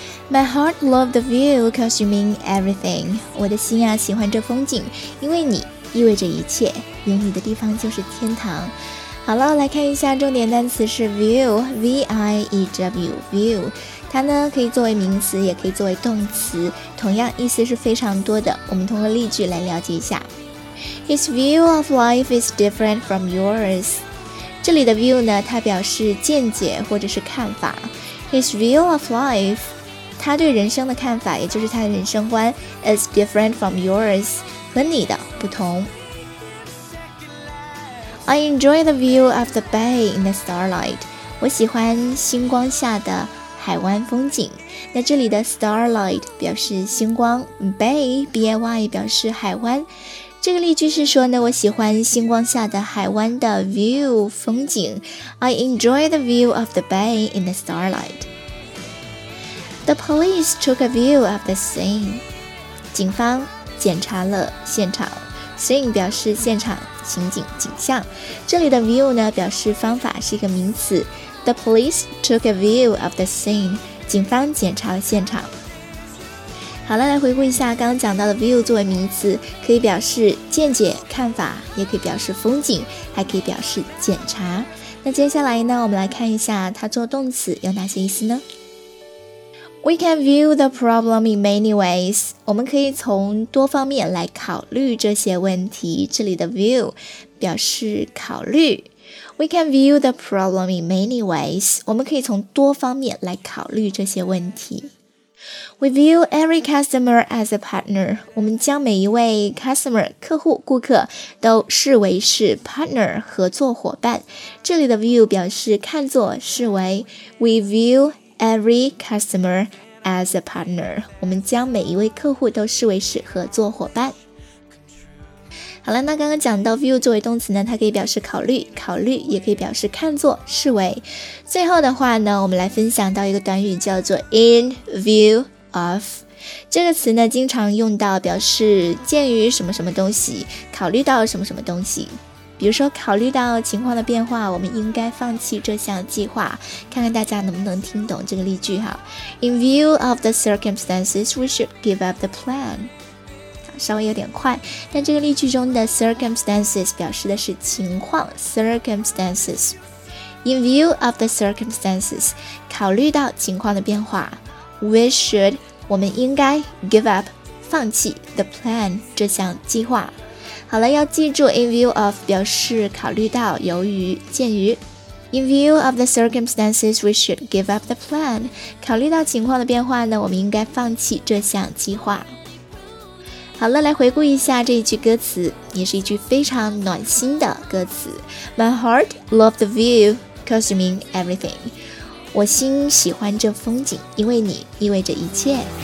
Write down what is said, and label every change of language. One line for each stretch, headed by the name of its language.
English: My heart loved the view cause you mean everything.
Chinese: 我的心啊喜欢这风景，因为你意味着一切，有你的地方就是天堂。好了，来看一下重点单词是 view，V-I-E-W，view， 它呢可以作为名词，也可以作为动词，同样意思是非常多的。我们通过例句来了解一下。
English: His view of life is different from yours.
Chinese: 这里的 view 呢，它表示见解或者是看法。
English: His view of life，
Chinese: 他对人生的看法，也就是他的人生观 ，
English: is different from yours，
Chinese: 和你的不同。
English: I enjoy the view of the bay in the starlight.
Chinese: 我喜欢星光下的海湾风景。那这里的 starlight 表示星光， bay B-A-Y 表示海湾。这个例句是说呢，我喜欢星光下的海湾的 view 风景。
English: I enjoy the view of the bay in the starlight. The police took a view of the scene.
Chinese: 警方检查了现场。Scene 表示现场、情景、景象。这里的 view 呢，表示方法，是一个名词。
English: The police took a view of the scene.
Chinese: 警方检查了现场。好了，来回顾一下刚刚讲到的 view 作为名词，可以表示见解、看法，也可以表示风景，还可以表示检查。那接下来呢，我们来看一下它做动词有哪些意思呢？
English: We can view the problem in many ways.
Chinese: 我们可以从多方面来考虑这些问题。这里的 view 表示考虑。
English: We can view the problem in many ways.
Chinese: 我们可以从多方面来考虑这些问题。
English: We view every customer as a partner.
Chinese: 我们将每一位 customer 客户顾客都视为是 partner 合作伙伴。这里的 view 表示看作视为。
English: We viewEvery customer as a partner.
Chinese: 我们将每一位客户都视为是合作伙伴。好了，那刚刚讲到 view 作为动词呢，它可以表示考虑，考虑也可以表示看作视为。最后的话呢，我们来分享到一个短语叫做 in view of。这个词呢，经常用到表示鉴于什么什么东西，考虑到什么什么东西。比如说考虑到情况的变化，我们应该放弃这项计划。看看大家能不能听懂这个例句哈。
English: In view of the circumstances, we should give up the plan.
Chinese: 稍微有点快，但这个例句中的 circumstances 表示的是情况 circumstances.
English: In view of the circumstances,
Chinese: 考虑到情况的变化，
English: we should,
Chinese: 我们应该
English: give up,
Chinese: 放弃
English: the plan,
Chinese: 这项计划。好了，要记住 in view of 表示考虑到、由于、鉴于。
English: In view of the circumstances, we should give up the plan.
Chinese: 考虑到情况的变化呢，我们应该放弃这项计划。好了，来回顾一下这一句歌词，也是一句非常暖心的歌词。
English: My heart loved the view, cause you mean everything.
Chinese: 我心喜欢这风景，因为你意味着一切。